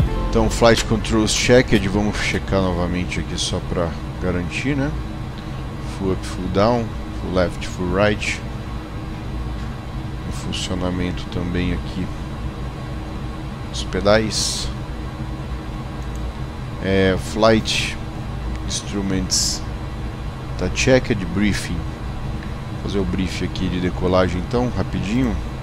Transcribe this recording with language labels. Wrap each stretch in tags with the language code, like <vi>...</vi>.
<pt>Então,</pt> <en>flight controls checked,</en> <pt>vamos checar novamente aqui só para garantir, né?</pt> <en>Full up, full down, full left, full right.</en> <pt>O funcionamento também aqui dos pedais. É, flight instruments tá checked, briefing. Vou fazer o briefing aqui de decolagem então, rapidinho.</pt>